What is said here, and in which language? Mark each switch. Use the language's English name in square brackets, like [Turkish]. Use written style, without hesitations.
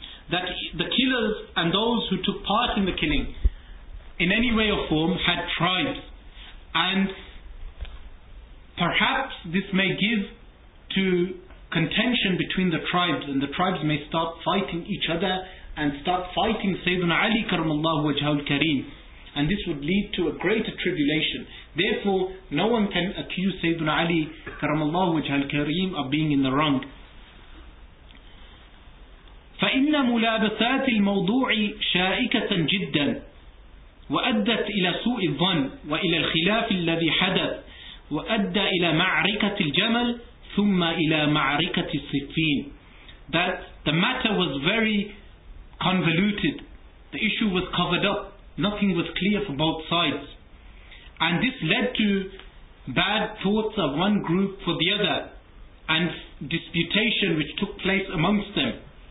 [English] That the killers and those who took part in the killing in any way or form had tribes, and perhaps this may give to contention between the tribes, and the tribes may start fighting each other and start fighting Sayyidina Ali karamallahu wajhahu al-kareem, and this would lead to a greater tribulation. Therefore no one can accuse Sayyidina Ali karamallahu wajhahu al-kareem of being in the wrong. [Arabic] فإن ملابسات الموضوع شائكة جدا وأدت إلى سوء الظن وإلى الخلاف الذي حدث وأدى إلى معركة الجمل ثم إلى معركة الصفين. [English] That the matter was very convoluted, the issue was covered up, nothing was clear for both sides, and this led to bad thoughts of one group for the other and disputation which took place amongst them.